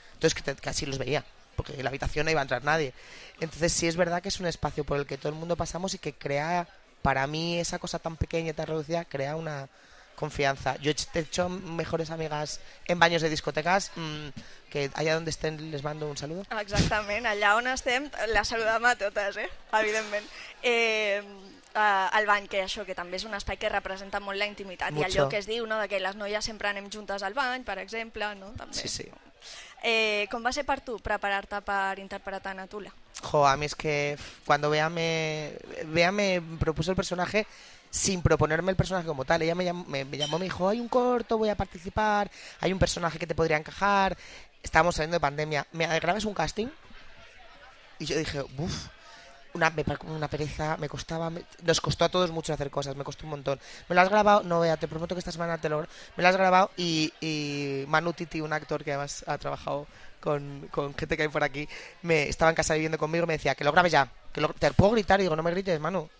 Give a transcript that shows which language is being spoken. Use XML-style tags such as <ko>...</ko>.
<es>Entonces que así los veía, porque en la habitación no iba a entrar nadie. Entonces sí es verdad que es un espacio por el que todo el mundo pasamos y que crea, para mí, esa cosa tan pequeña y tan reducida, crea una confianza. Yo he hecho mejores amigas en baños de discotecas, que allá donde estén les mando un saludo. Exactamente, allá donde estén las saludamos a todas, evidentemente.</es> <ca>Al bany, que això, que també és un espai que representa molt la intimitat.</ca> <es>Mucho.</es> <ca>I allò que es diu, no, de que les noies sempre anem juntes al bany, per exemple, no? També.</ca> <es>Sí, sí.</es> <ca>Com va ser per tu preparar-te per interpretar a Natula? Jo, a mi és que quan</ca> <es>Bea me propuso el personatge sin proponerme</es> <ca>el personatge com tal.</ca> <es>Ella me llamó, me dijo, hay un corto, voy a participar, hay un personatge que te podría encajar. Estábamos saliendo de pandemia. ¿Me grabes un casting? Y yo dije, uff, una pereza, me costaba, nos costó a todos mucho hacer cosas, me costó un montón. Me lo has grabado, no, vea, te prometo que esta semana te lo... Me lo has grabado y Manu Titi, un actor que además ha trabajado con gente que hay por aquí, me estaba en casa viviendo conmigo, me decía, que lo grabes ya, que lo, te puedo gritar, y digo, no me grites, Manu.</es>